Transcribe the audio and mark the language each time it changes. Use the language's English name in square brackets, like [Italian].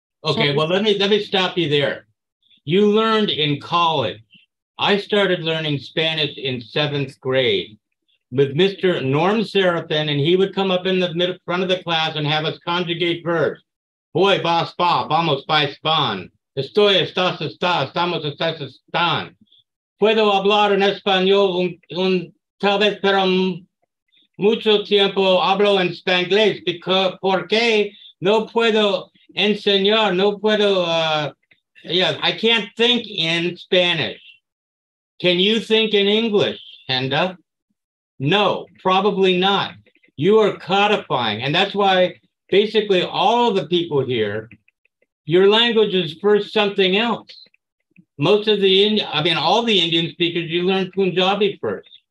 [English] Okay, well, let me stop you there. You learned in college. I started learning Spanish in seventh grade with Mr. Norm Serafin, and he would come up in the middle, front of the class and have us conjugate verbs. [Spanish] Voy, vas, va, vamos, vais, van. Estoy, estás, estás, estamos, estás, están. Puedo hablar en español un tal vez, pero mucho tiempo hablo en spanglés. Porque no puedo enseñar, no puedo, [English] I can't think in Spanish. Can you think in English, Henda? No, probably not. You are codifying. And that's why basically all the people here, your language is first something else. Most of the all the Indian speakers, you learn Punjabi first.